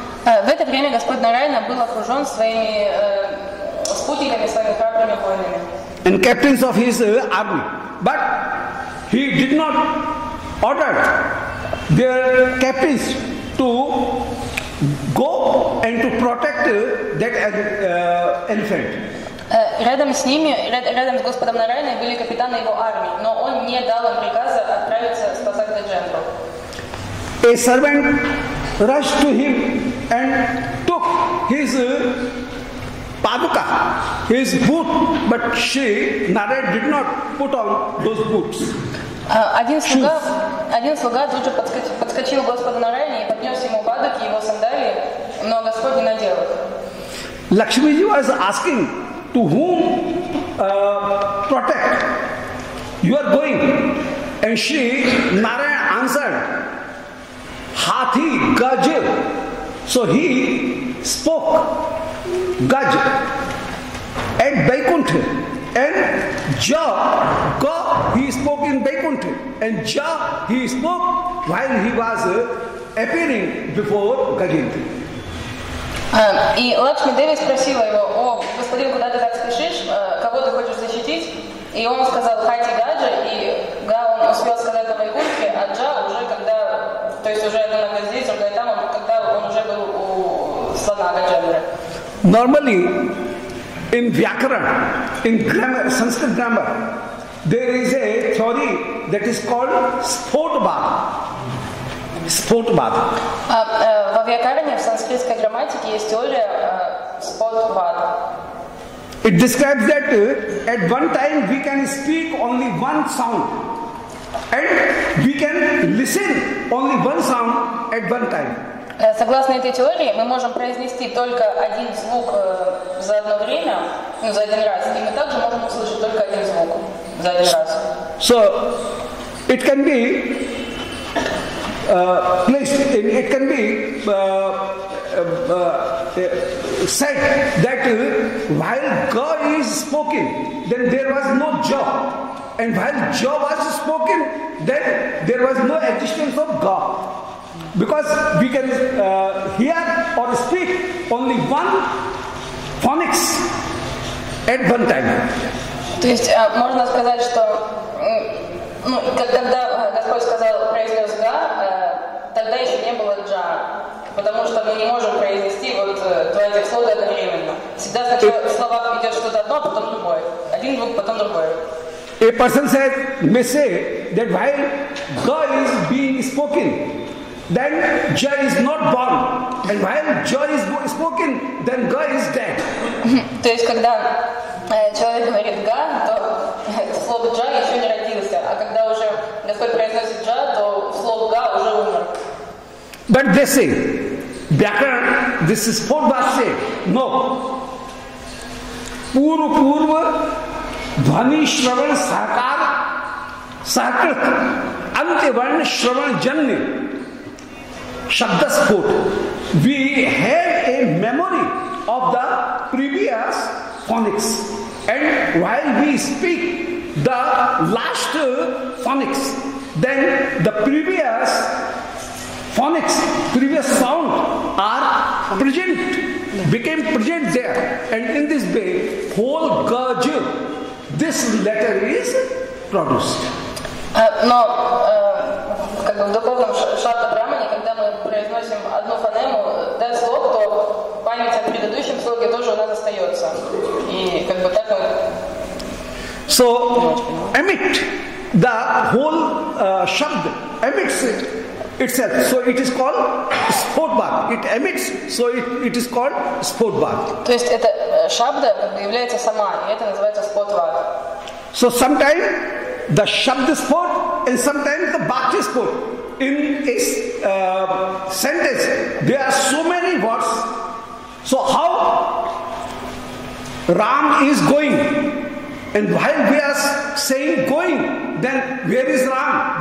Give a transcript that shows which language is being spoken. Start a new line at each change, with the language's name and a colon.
Russian: В это время Господь Нараяна был окружен своими спутниками, своими храбрыми воинами.
English: And captains of his army. But he did not order their captains to go and to protect that elephant.
Russian: Рядом с ними, рядом с Господом Нараяной были капитаны его армии, но он не дал им приказа отправиться спасать Гаджендру.
English: A servant rushed to him and took his paduka, his boot, but Shri Narayan did not put on those boots.
Russian: Один слуга тут же подскочил Господу Нараяне и поднес ему падуки, его сандалии, но Господь не надел их.
English: Lakshmiji was asking, to whom protect you are going? And Shri Narayan answered, Hathi Gaj. So he spoke Gaj at Vaikunth, and Ja Ga he spoke in Vaikunth, and Ja he spoke while he was appearing before Gajendra.
Russian: И Лакшми Деви спросила его: «О, господин, куда ты так спешишь? Кого ты хочешь защитить?» И он сказал: «Хати Гаджа», и Га он успел сказать о Вайкунтхе, а Джа уже когда, то есть уже одна нога здесь, другая там, когда он уже был у слона Гаджендры.
English: Normally, in Vyakaran, in grammar, Sanskrit grammar, there is a theory that is called Sphotbad. Sphotbad.
Russian: Во Вьякаране, в санскритской грамматике, есть теория Sphotbad.
English: It describes that at one time we can speak only one sound, and we can listen only one sound at one time.
Russian: Согласно этой теории, мы можем произнести только один звук за одно время, ну, за один раз, и мы также можем услышать только один звук за один раз.
English: So, it can be place, it can be said that while Ga is spoken, then there was no Ja, and while Ja was spoken, then there was no existence of Ga, because we can hear or speak only one phonics at one time.
Russian: То есть можно сказать, что ну когда Господь сказал произнес Ga, тогда еще не было Джа, потому что мы не можем произнести вот два этих слова одновременно. Всегда сначала в словах идет что-то одно, потом другое. Один звук, потом другой.
English: A person says, may say that while Ga is being spoken, then Ja is not born, and while Ja is spoken, then Ga is dead.
Russian: То есть когда человек говорит Ga, то слово Ja еще не родился, а когда уже Господь произносит Ja, то слово Ga уже умер.
English: But they say, Vyakaran, this is Sphotbad say, no.
Sanskrit: Purva purva dhvani shravan sahakar sahakrit ante varna shravan janne shabdasphot.
English: We have a memory of the previous phonics, and while we speak the last phonics, then the previous phonics, previous sound are present, became present there, and in this way whole gaj, this letter is produced.
Russian: Но как в духовном шатабрамане, когда мы произносим одну фонему, да, слог, то память о предыдущем слоге тоже у нас остается. И как бы так мы...
English: So, emit the whole shabd, emits it itself. So it is called Sphotbad. It emits, so it is called Sphotbad.
Russian: То есть это шабда является сама, и это называется Sphotbad.
English: So sometimes the shabd sphot and sometimes the bhakti sphot. In its sentence, there are so many words. So how Ram is going, and while we are saying going, then where is Ram?